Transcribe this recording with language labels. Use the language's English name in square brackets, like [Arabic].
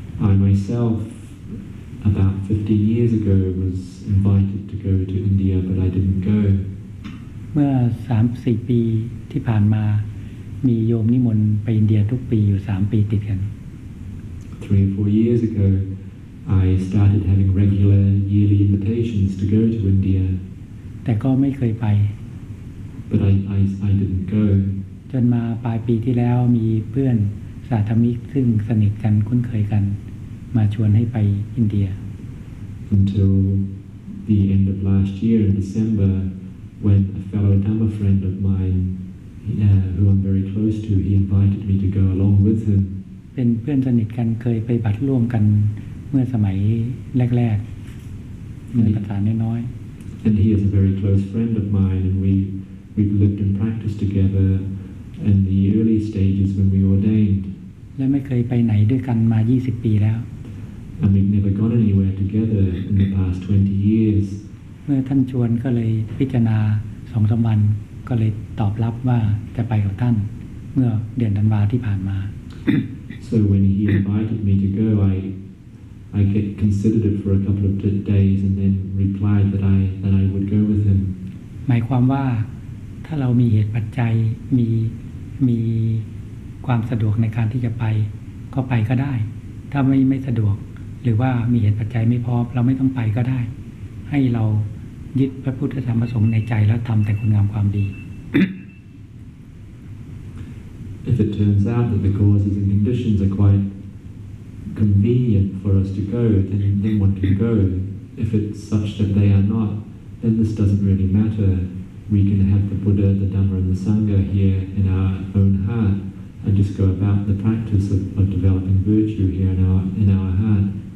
[English] I myself about 15 years ago was invited to go to India but I didn't go [Thai] เมื่อ 3-4 ปีที่ผ่านมามีโยมนิมนต์ไปอินเดียทุกปีอยู่3ปีติดกัน [English] 3-4 years agoI started having regular yearly invitations to go to India. [Thai] แต่ก็ไม่เคยไป [English] But I didn't go. [Thai] จนมาปลายปีที่แล้วมีเพื่อนสาธมิกซึ่งสนิทกันคุ้นเคยกันมาชวนให้ไปอินเดีย [English] Until the end of last year in December, when a fellow Dhamma friend of mine, who I'm very close to, he invited me to go along with him. [Thai] เป็นเพื่อนสนิทกันเคยไปบัตรร่วมกันเมื่อสมัยแรกๆในภาษาน้อย [English] ๆ And he is a very close friend of mine and we've lived and practiced together in the early stages when we ordained [Thai] และไม่เคยไปไหนด้วยกันมา20ปีแล้ว [English] And we've never gone anywhere together in the past 20 years [Thai] เมื่อท่านชวนก็เลยพิจารณา 2-3 วันก็เลยตอบรับว่าจะไปกับท่านเมื่อเดือนธันวาที่ผ่านมา [English] So when he invited me to go I get considered it for a couple of days and then replied that I would go with him [Thai] หมายความว่าถ้าเรามีเหตุปัจจัยมีความสะดวกในการที่จะไปก็ไปก็ได้ถ้าไม่สะดวกหรือว่ามีเหตุปัจจัยไม่พร้อมเราไม่ต้องไปก็ได้ให้เรายึดพระพุทธธรรมประสงค์ในใจแล้วทำแต่คุณงามความดี [English] If it turns out that the causes and conditions are quiteconvenient for us to go then one can go if it's such that they are not then this doesn't really matter we can have the Buddha the Dhamma and the Sangha here in our own heart and just go about the practice of developing virtue here in our heart